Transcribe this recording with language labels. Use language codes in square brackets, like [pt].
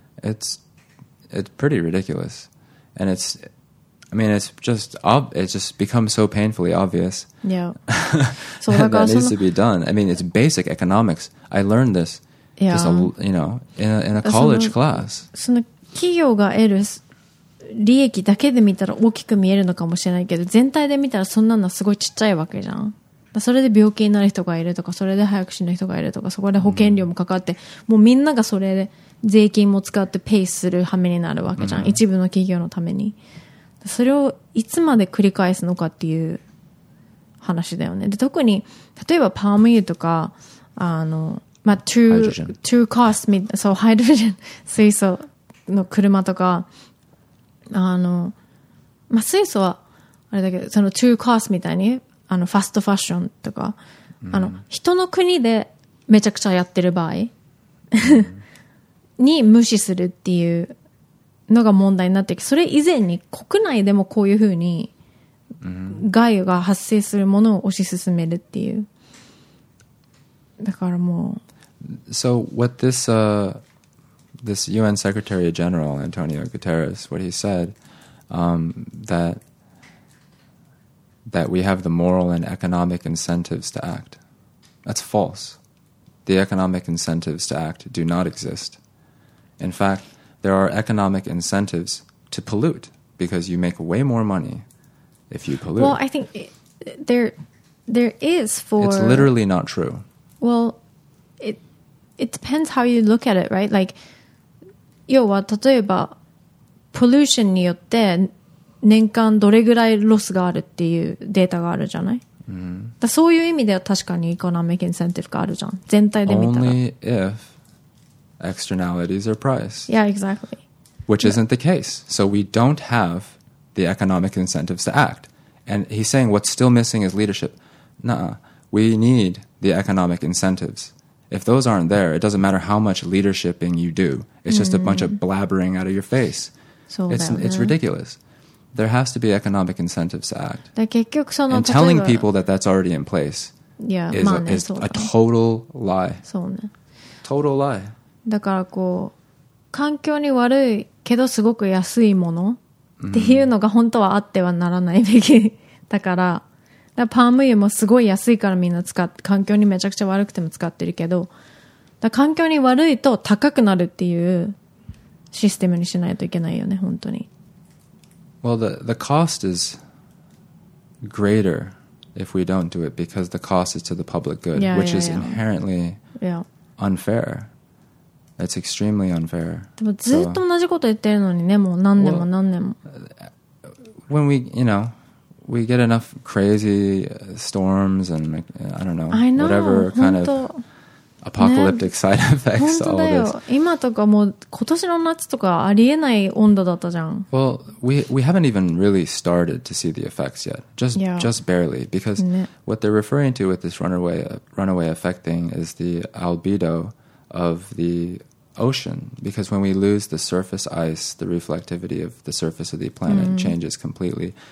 [en] It's pretty ridiculous. And it's, I mean, it's just, it's just become so painfully obvious. Yeah. So that needs to be done. I mean, it's basic economics. I learned this, you know, in a college class. [ja] その企業が得る利益だけで見たら大きく見えるのかもしれないけど、全体で見たらそんなのはすごいちっちゃいわけじゃん。それで病気になる人がいるとか、それで早く死ぬ人がいるとか、そこで保険料もかかって、もうみんながそれで税金も使ってペイする羽目になるわけじゃん。一部の企業のために。それをいつまで繰り返すのかっていう話だよね。で特に、例えばパーム油とか、あの、まあ、トゥーコースト、そう、ハイドロジェン、水素の車とか、あの、まあ、水素は、あれだけど、そのトゥーコースみたいに、あの、ファストファッションとか、あの、人の国でめちゃくちゃやってる場合、に無視するっていうのが問題になってきて、それ以前に国内でもこういうふうに、害が発生するものを推し進めるっていう。だからもう、 [en] So what this this UN Secretary General Antonio Guterres, what he said that we have the moral and economic incentives to act. That's false. The economic incentives to act do not exist. In fact, there are economic incentives to pollute because you make way more money if you pollute. Well, I think there is for... It's literally not true. Well, It depends how you look at it, right? [ja] Like, 要は例えば、ポリューションによって年間どれぐらいロスがあるっていうデータがあるじゃない？だそういう意味では確かにエコノミックインセンティブがあるじゃん。全体で見たら。 [en] Only if externalities are priced. Yeah, exactly. Which isn't the case. So we don't have the economic incentives to act. And he's saying what's still missing is leadership. Nuh-uh. We need the economic incentives. If those aren't there, it doesn't matter how much leadershiping you do. It's just a bunch of blabbering out of your face. [ja] そうだよね。 [en] It's ridiculous. There has to be economic incentives to act. [ja] だ結局その [en] And telling people that that's already in place yeah, is,、 [ja] まあね、 [en] is a total lie. [ja] そうね。 [en] Total lie. [ja] だからこう、環境に悪いけどすごく安いものっていうのが本当はあってはならないべき。だから、だパーム油もすごい安いからみんな使って、環境にめちゃくちゃ悪くても使ってるけど、だ環境に悪いと高くなるっていうシステムにしないといけないよね、本当に。 [en] Well, the cost is greater if we don't do it because the cost is to the public good, yeah, which yeah, is inherently yeah. unfair. It's extremely unfair. [ja] でもずっと同じこと言ってるのにね、もう何年も何年も。 [en] Well, when we, you know,We get enough crazy storms and I don't know whatever kind of apocalyptic、ね、side effects to all this. [ja] 今とかもう今年の夏とかありえない温度だったじゃん。 [en] Well, we haven't even really started to see the effects yet. Just barely. Because、ね、what they're referring to with this runaway effect thing is the albedo of the ocean. Because when we lose the surface ice, the reflectivity of the surface of the planet、mm. changes completely.